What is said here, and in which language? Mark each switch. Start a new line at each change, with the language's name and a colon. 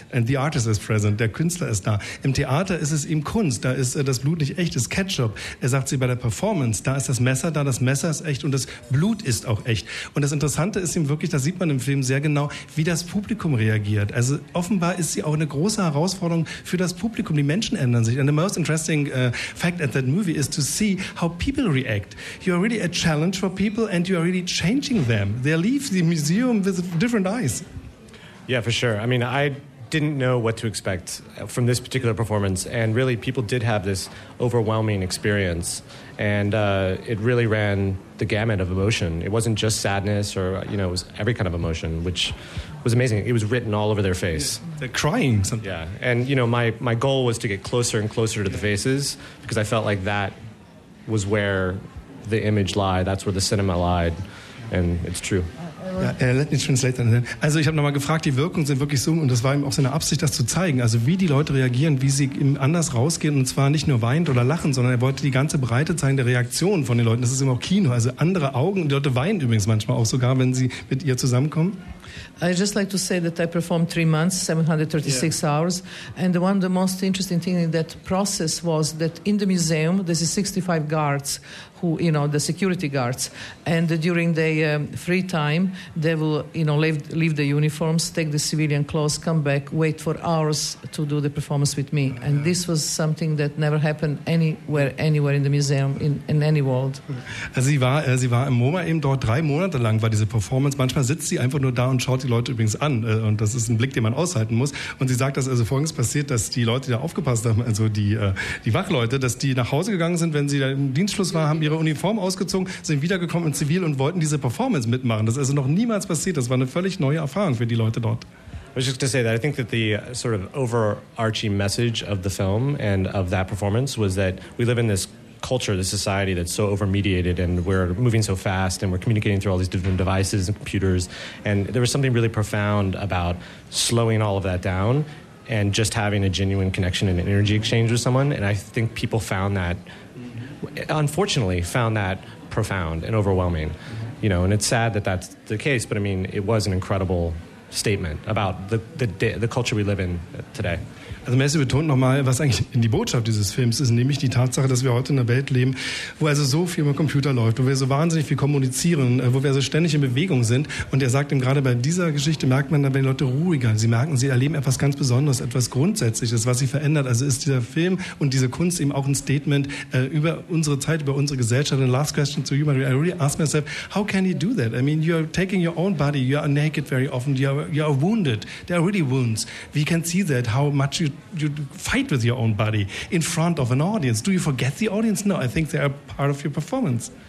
English: And the artist is present,
German: der Künstler ist da. Im Theater ist es eben Kunst, da ist das Blut nicht echt, das ist Ketchup. Er sagt sie bei der Performance, da ist das Messer da, das Messer ist echt und das Blut ist auch echt. Und das Interessante ist eben wirklich, das sieht man im Film sehr genau, wie das Publikum reagiert. Also offenbar ist sie auch eine große Herausforderung für das Publikum. Die Menschen ändern sich.
English: And the most interesting fact at that movie is to see how people react. You are really a challenge for people and you are really changing them. They leave the museum with different eyes. Yeah, for sure. I mean, I didn't know what to expect from this particular performance. And really, people did have this overwhelming experience. And it really ran the gamut of emotion. It wasn't just sadness or, you know, it was every kind of emotion, which was amazing. It was written all over their face. Yeah, they're crying. Something. Yeah. And, you know, my goal was to get closer and closer to the faces because I felt like that was where the image lied. That's where the cinema lied. And it's true. Let me translate that.
German: Also ich habe nochmal gefragt, die Wirkungen sind wirklich so, und das war ihm auch seine Absicht, das zu zeigen, also wie die Leute reagieren, wie sie anders rausgehen, und zwar nicht nur weint oder lachen, sondern er wollte die ganze Breite zeigen der Reaktion von den Leuten. Das ist immer auch Kino, also andere Augen, die Leute weinen übrigens manchmal auch sogar, wenn sie mit ihr zusammenkommen.
English: I just like to say that I performed 3 months, 736 yeah. hours, and one of the most interesting things in that process was that in the museum, there's 65 guards, who, you know, the security guards, and during their free time, they will, you know, leave the uniforms, take the civilian clothes, come back, wait for hours to do the performance with me. And this was something that never happened anywhere in the museum, in any world.
German: Sie war im MoMA eben dort 3 Monate lang, war diese Performance. Manchmal sitzt sie einfach nur da und schaut die Leute übrigens an. Und das ist ein Blick, den man aushalten muss. Und sie sagt, dass also Folgendes passiert, dass die Leute, die da aufgepasst haben, also die Wachleute, dass die nach Hause gegangen sind, wenn sie da im Dienstschluss waren, haben ihre Uniform ausgezogen, sind wiedergekommen in Zivil und wollten diese Performance mitmachen. Das ist also noch niemals passiert. Das war eine völlig neue Erfahrung für die Leute dort.
English: I was just going to say that I think that the sort of overarching message of the film and of that performance was that we live in this culture, this society that's so overmediated, and we're moving so fast and we're communicating through all these different devices and computers. And there was something really profound about slowing all of that down and just having a genuine connection and an energy exchange with someone. And I think people found that, unfortunately, found that profound and overwhelming. You know, and it's sad that that's the case, but I mean, it was an incredible statement about the culture we live in today.
German: Also Messi betont nochmal, was eigentlich in die Botschaft dieses Films ist, nämlich die Tatsache, dass wir heute in einer Welt leben, wo also so viel über Computer läuft, wo wir so wahnsinnig viel kommunizieren, wo wir so ständig in Bewegung sind. Und er sagt ihm, gerade bei dieser Geschichte merkt man dann, wenn die Leute ruhiger, sie merken, sie erleben etwas ganz Besonderes, etwas Grundsätzliches, was sie verändert. Also ist dieser Film und diese Kunst eben auch ein Statement über unsere Zeit, über unsere Gesellschaft.
English: And last question to you, Maria, I really ask myself, how can you do that? I mean, you're taking your own body, you are naked very often, you are wounded, there are really wounds. We can see that, how much you fight with your own body in front of an audience. Do you forget the audience? No, I think they are part of your performance.